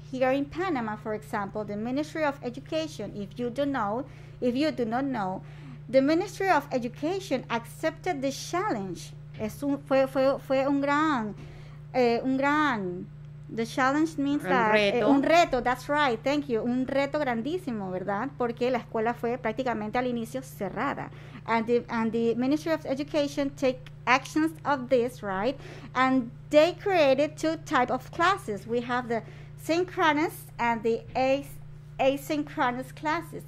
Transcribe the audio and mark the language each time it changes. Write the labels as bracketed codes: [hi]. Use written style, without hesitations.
[en] Here in Panama, for example, the Ministry of Education, if you do not know, the Ministry of Education accepted the challenge. The challenge means that [es] un reto, [en] that's right, thank you. [es] Un reto grandísimo, ¿verdad? Porque la escuela fue prácticamente al inicio cerrada. [en] And the Ministry of Education take actions of this, right? And they created two type of classes. We have the synchronous and the asynchronous classes.